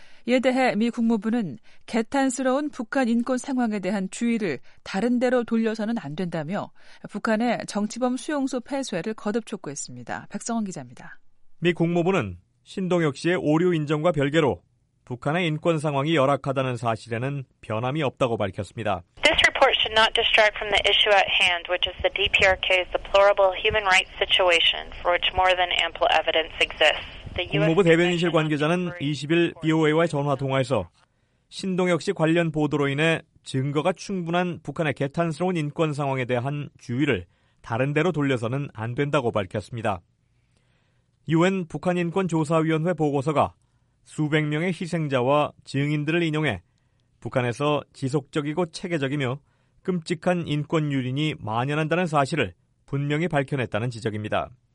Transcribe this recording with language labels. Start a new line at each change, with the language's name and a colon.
Korean: 이에 대해 미 국무부는 개탄스러운 북한 인권 상황에 대한 주의를 다른 데로 돌려서는 안 된다며 북한의 정치범 수용소 폐쇄를 거듭 촉구했습니다. 백성원 기자입니다. 미 국무부는 신동혁 씨의 오류 인정과 별개로 북한의 인권 상황이 열악하다는 사실에는 변함이 없다고 밝혔습니다.
English: This report should not distract from the issue at hand, which is the DPRK's deplorable human rights situation for which more than ample evidence exists.
Korean: 국무부 대변인실 관계자는 20일 BOA와의 전화 통화에서 신동혁 씨 관련 보도로 인해 증거가 충분한 북한의 개탄스러운 인권 상황에 대한 주의를 다른 데로 돌려서는 안 된다고 밝혔습니다. UN 북한 인권 조사위원회 보고서가 수백 명의 희생자와 증인들을 인용해 북한에서 지속적이고 체계적이며 끔찍한 인권 유린이 만연한다는 사실을 분명히 밝혀냈다는 지적입니다.